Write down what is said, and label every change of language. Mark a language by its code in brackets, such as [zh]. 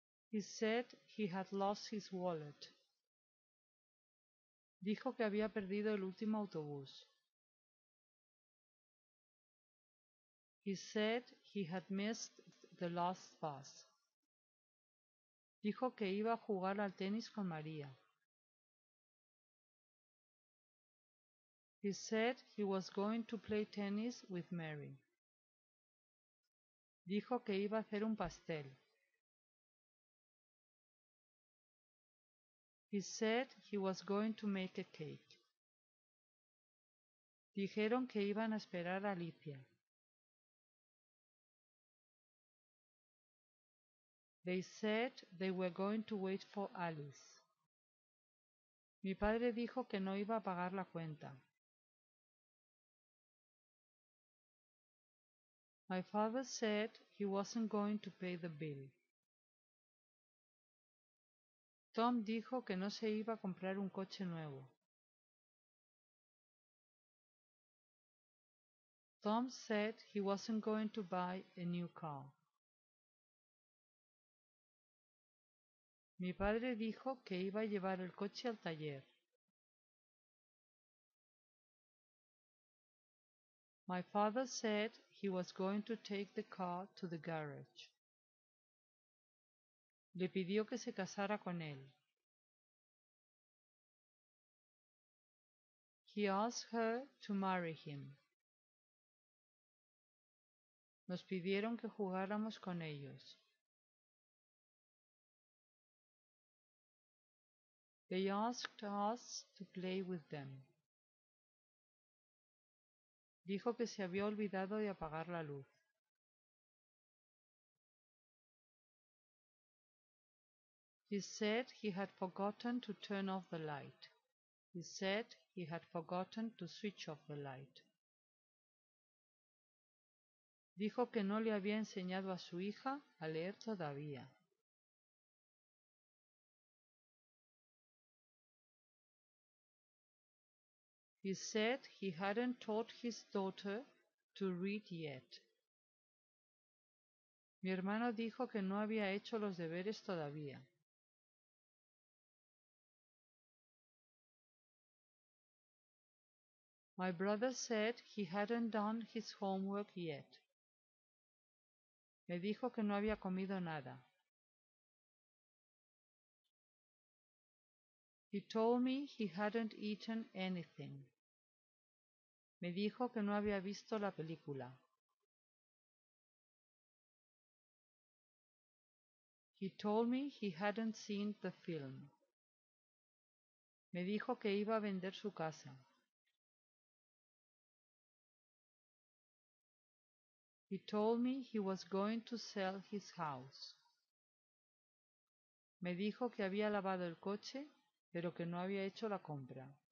[en] He said he had lost his wallet. [es] Dijo que había perdido el último autobús. [en] He said he had missed the last bus. [es] Dijo que iba a jugar al tenis con María. [en] He said he was going to play tennis with Mary. [es] Dijo que iba a hacer un pastel. [en] He said he was going to make a cake. [es] Dijeron que iban a esperar a Alicia. [en] They said they were going to wait for Alice. [es] Mi padre dijo que no iba a pagar la cuenta. [en] My father said he wasn't going to pay the bill. [es] Tom dijo que no se iba a comprar un coche nuevo. [en] Tom said he wasn't going to buy a new car. [es] Mi padre dijo que iba a llevar el coche al taller. [en] My father said he was going to take the car to the garage. [es] Le pidió que se casara con él. [en] He asked her to marry him. [es] Nos pidieron que jugáramos con ellos. [en] They asked us to play with them. [es] Dijo que se había olvidado de apagar la luz. [en] He said he had forgotten to turn off the light. He said he had forgotten to switch off the light. [es] Dijo que no le había enseñado a su hija a leer todavía. [en] He said he hadn't taught his daughter to read yet. [es] Mi hermano dijo que no había hecho los deberes todavía. [en] My brother said he hadn't done his homework yet. [es] Me dijo que no había comido nada. [en] He told me he hadn't eaten anything. [es] Me dijo que no había visto la película. [en] He told me he hadn't seen the film. [es] Me dijo que iba a vender su casa. [en] He told me he was going to sell his house. [es] Me dijo que había lavado el coche, pero que no había hecho la compra.